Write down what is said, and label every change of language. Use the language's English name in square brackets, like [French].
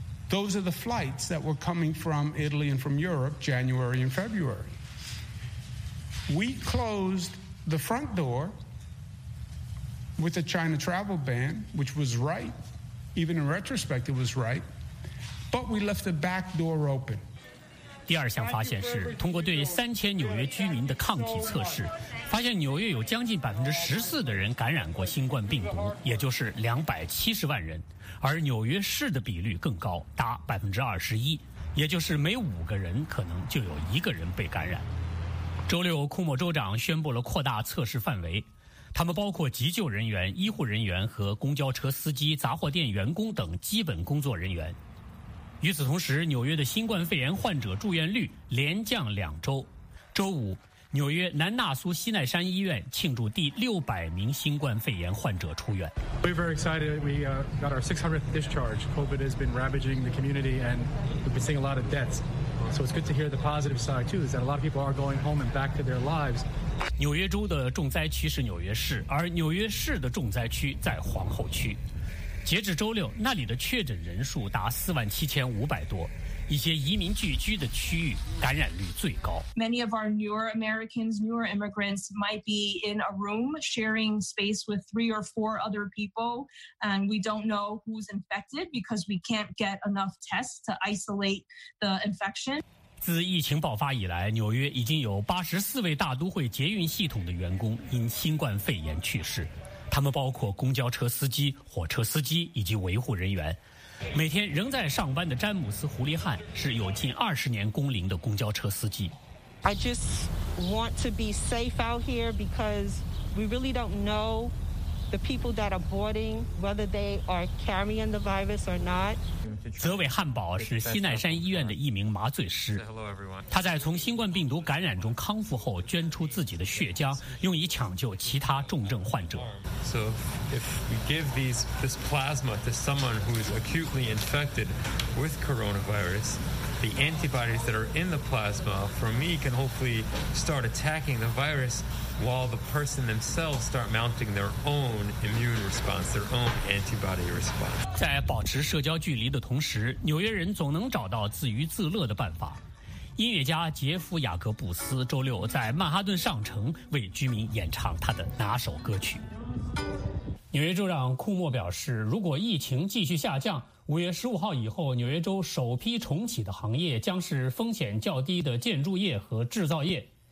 [English] Those are the flights that were coming from Italy and from Europe, January and February. We closed the front door with a China travel ban, which was right. Even in retrospect, it was right. But we left the back door open. [Chinese] 第二项发现是通过对3000纽约居民的抗体测试，发现纽约有将近14%的人感染过新冠病毒，也就是270万人，而纽约市的比率更高，达21%，也就是每5个人可能就有1个人被感染。周六，库莫州长宣布了扩大测试范围，他们包括急救人员、医护人员和公交车司机、杂货店员工等基本工作人员。与此同时，纽约的新冠肺炎患者住院率连降2周。周五，纽约南纳苏西奈山医院庆祝第600名新冠肺炎患者出院。 [English] We're very excited. We got our 600th discharge. COVID has been ravaging the community, and we've been seeing a lot of deaths. So it's good to hear the positive side too, is that a lot of people are going home and back to their lives. [Chinese] 纽约州的重灾区是纽约市，而纽约市的重灾区在皇后区。截至周六，那里的确诊人数达47,500多，一些移民聚居的区域感染率最高。 [English] Many of our newer Americans, newer immigrants might be in a room sharing space with 3 or 4 other people, and we don't know who's infected because we can't get enough tests to isolate the infection. [Chinese] 自疫情爆发以来，纽约已经有84位大都会捷运系统的员工因新冠肺炎去世。他们包括公交车司机、火车司机以及维护人员。每天仍在上班的詹姆斯·胡利汉是有近20年工龄的公交车司机。 [English] I just want to be safe out here because we really don't know the people that are boarding whether they are carrying the virus or not. [Chinese] 泽韦汉堡是西奈山医院的一名麻醉师，他在从新冠病毒感染中康复后捐出自己的血浆，用以抢救其他重症患者。 [English] So if we give this plasma to someone who is acutely infected with coronavirus, the antibodies that are in the plasma for me can hopefully start attacking the virus while the person themselves start mounting their own immune response, their own antibody response. [Chinese] 在保持社交距离的同时，纽约人总能找到自娱自乐的办法。音乐家杰夫·雅各布斯周六在曼哈顿上城为居民演唱他的拿手歌曲。纽约州长库莫表示，如果疫情继续下降，5月15号以后，纽约州首批重启的行业将是风险较低的建筑业和制造业。